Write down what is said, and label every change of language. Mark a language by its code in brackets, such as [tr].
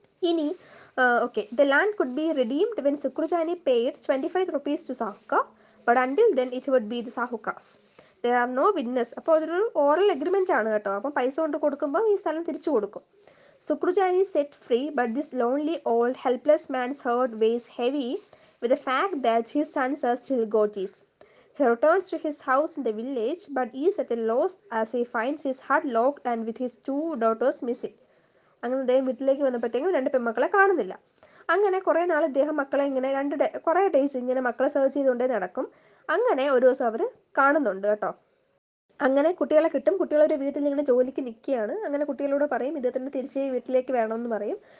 [en] ഇനി okay, the land could be redeemed when Sukrujani paid 25 rupees to sahuka, but until then it would be the sahukas. There are no witness. [ml] അപ്പോൾ അതൊരു oral agreement ആണ് കേട്ടോ. അപ്പം പൈസ കൊണ്ട് കൊടുക്കുമ്പോൾ ഈ സ്ഥലം തിരിച്ചു കൊടുക്കും. [en] Sukrujani set free, but this lonely old helpless man's heart weighs heavy with a fact that his sons are still ഗോജീസ്. He returns to his house in the village, but is at a loss as he finds his heart locked and with his two daughters missing. [ml] അങ്ങനെ അദ്ദേഹം വീട്ടിലേക്ക് വന്നപ്പോഴത്തേക്കും രണ്ട് പെൺമക്കളെ കാണുന്നില്ല. അങ്ങനെ കുറേ നാൾ അദ്ദേഹം മക്കളെ ഇങ്ങനെ കുറേ ഡേയ്സ് ഇങ്ങനെ മക്കളെ സെർച്ച് ചെയ്തുകൊണ്ടേ നടക്കും. അങ്ങനെ ഒരു ദിവസം അവർ കാണുന്നുണ്ട് കേട്ടോ. അങ്ങനെ കുട്ടികളെ കിട്ടും. കുട്ടികളൊരു വീട്ടിൽ ഇങ്ങനെ ജോലിക്ക് നിൽക്കുകയാണ്. അങ്ങനെ കുട്ടികളോട് പറയും ഇദ്ദേഹത്തിന് തിരിച്ച് വീട്ടിലേക്ക് വേണമെന്ന് പറയും.